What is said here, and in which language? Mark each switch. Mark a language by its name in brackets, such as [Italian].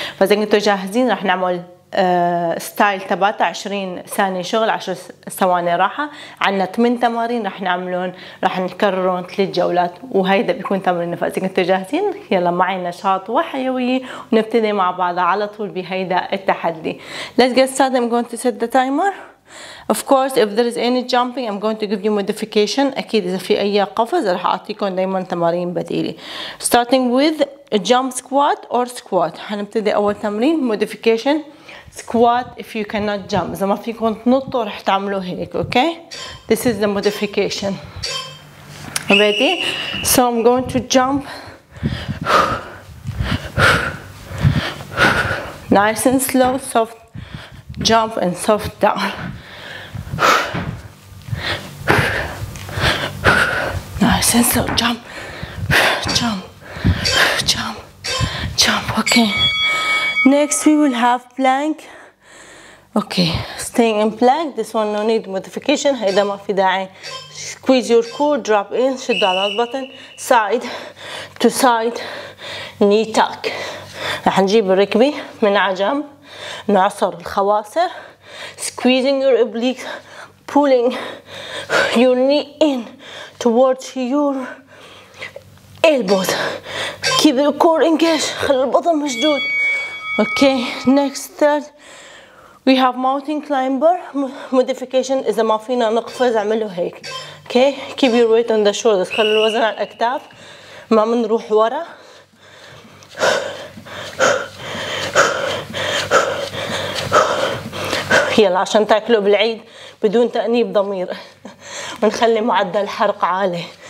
[Arabic] فاذا انتم جاهزين رح نعمل ستايل تباتا, 20 ثانية شغل 10 ثواني راحة. عنا 8 تمارين رح نعملهم, رح نكررهم 3 جولات, وهيدا بيكون تمرين. فاذا انتم جاهزين يلا معي نشاط وحيوية ونبتدي مع بعض على طول بهيدا التحدي. [English] Let's get started. I'm going to set the timer. Of course, if there is any jumping, I'm going to give you modification. [Arabic] أكيد إذا في أي قفز رح أعطيكم دايما تمارين بديلة. [English] Starting with jump squat or squat. [Arabic] حنبتدي أول تمرين modification. [English] Squat if you cannot jump. [Arabic] إذا ما فيكم تنطوا رح تعملوا هيك, okay? [English] This is the modification. Ready? So I'm going to jump. Nice and slow, soft jump and soft down. Nice and slow, jump, jump, jump, jump, okay. Next we will have plank. Okay, staying in plank. This one no need modification. هيدا ما في داعي. Squeeze your core, drop in, shoot down the button. Side to side, knee tuck. [Arabic] رح نجيب الركبي من على جنب. نعصر الخواصر. [English] Squeezing your obliques, pulling your knee in towards your elbows. Keep your core engaged. خلي البطن مشدود. Okay, next third. We have mountain climber modification. [Arabic] إذا ما فينا نقفز اعمله هيك. [English] Okay, keep your weight on the shoulders. [Arabic] خلي الوزن على الأكتاف. ما منروح ورا. يلا عشان تاكلوا بالعيد بدون تأنيب ضمير. ونخلي معدل حرق عالي.